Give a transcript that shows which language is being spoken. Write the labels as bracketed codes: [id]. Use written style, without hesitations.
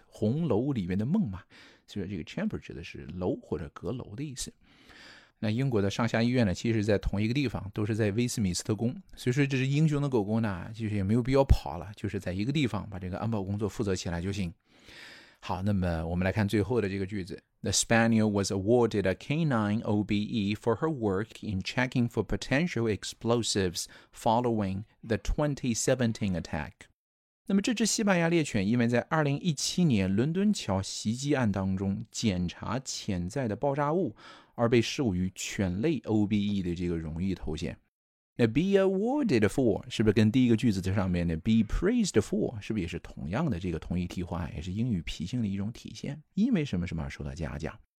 [zh] 红楼里面的梦嘛，所以这个 chamber 指的是楼或者阁楼的意思。那英国的上下医院呢，其实在同一个地方，都是在威斯敏斯特宫，所以说这只英雄的狗狗呢，就是也没有必要跑了，就是在一个地方把这个安保工作负责起来就行。好，那么我们来看最后的这个句子。 [en] The Spaniel was awarded a canine OBE for her work in checking for potential explosives following the 2017 attack. [zh] 那么这只西班牙猎犬因为在2017年伦敦桥袭击案当中检查潜在的爆炸物而被授予犬类 OBE 的这个荣誉头衔。那 be awarded for 是不是跟第一个句子在上面的 be praised for 是不是也是同样的这个同义替换，也是英语脾性的一种体现，因为什么什么而受到嘉奖。